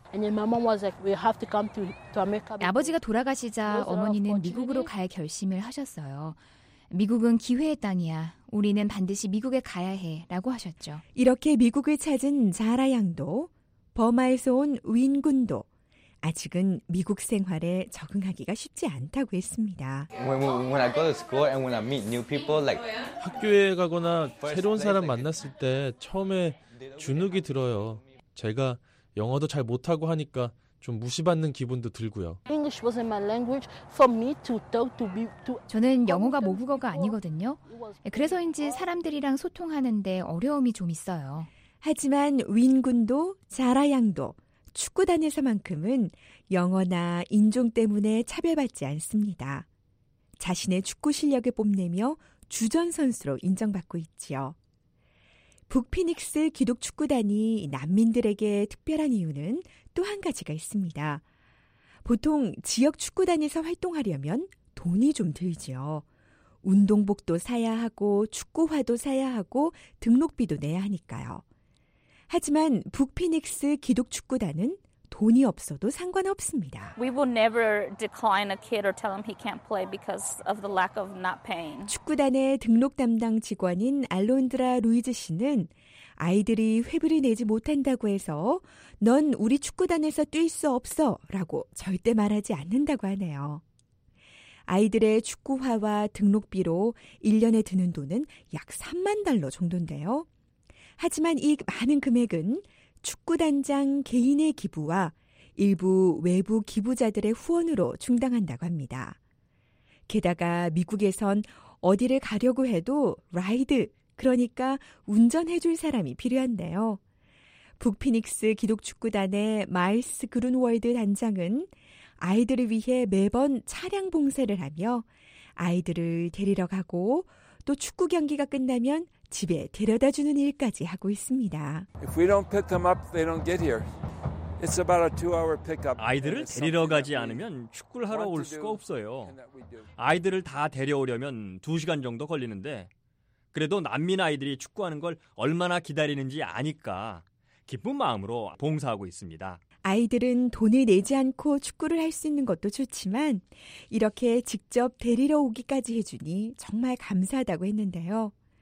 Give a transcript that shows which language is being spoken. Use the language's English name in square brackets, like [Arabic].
[Korean] 아버지가 돌아가시자 어머니는 미국으로 갈 결심을 하셨어요. 미국은 기회의 땅이야. 우리는 반드시 미국에 가야 해 라고 하셨죠. 이렇게 미국을 찾은 자라 양도 버마에서 온 윈 군도 아직은 미국 생활에 적응하기가 쉽지 않다고 했습니다. [English] When I go to school and when I meet new people, like [Korean] 학교에 가거나 새로운 사람 만났을 때 처음에 주눅이 들어요. 제가 영어도 잘 못하고 하니까 좀 무시받는 기분도 들고요. 저는 영어가 모국어가 아니거든요. 그래서인지 사람들이랑 소통하는데 어려움이 좀 있어요. 하지만 윈 군도 자라 양도 축구단에서만큼은 영어나 인종 때문에 차별받지 않습니다. 자신의 축구 실력을 뽐내며 주전 선수로 인정받고 있지요. 북피닉스 기독축구단이 난민들에게 특별한 이유는 또 한 가지가 있습니다. 보통 지역 축구단에서 활동하려면 돈이 좀 들지요. 운동복도 사야 하고 축구화도 사야 하고 등록비도 내야 하니까요. 하지만 북피닉스 기독축구단은 돈이 없어도 상관없습니다. [English] We will never decline a kid or tell him he can't play because of the lack of not paying. [Korean] 축구단의 등록 담당 직원인 알론드라 루이즈 씨는 아이들이 회비를 내지 못한다고 해서 넌 우리 축구단에서 뛸 수 없어 라고 절대 말하지 않는다고 하네요. 아이들의 축구화와 등록비로 1년에 드는 돈은 약 3만 달러 정도인데요. 하지만 이 많은 금액은 축구단장 개인의 기부와 일부 외부 기부자들의 후원으로 충당한다고 합니다. 게다가 미국에선 어디를 가려고 해도 라이드, 그러니까 운전해줄 사람이 필요한데요. 북피닉스 기독축구단의 마일스 그룬월드 단장은 아이들을 위해 매번 차량 봉사를 하며 아이들을 데리러 가고 또 축구 경기가 끝나면 집에 데려다 주는 일까지 하고 있습니다. [English] If we don't pick them up, they don't get here. It's about a two-hour pickup. [Korean] 아이들을 데리러 가지 않으면 축구를 하러 올 수가 없어요. 아이들을 다 데려오려면 2시간 정도 걸리는데 그래도 난민 아이들이 축구하는 걸 얼마나 기다리는지 아니까 기쁜 마음으로 봉사하고 있습니다. 아이들은 돈을 내지 않고 축구를 할 수 있는 것도 좋지만 이렇게 직접 데리러 오기까지 해주니 정말 감사하다고 했는데요.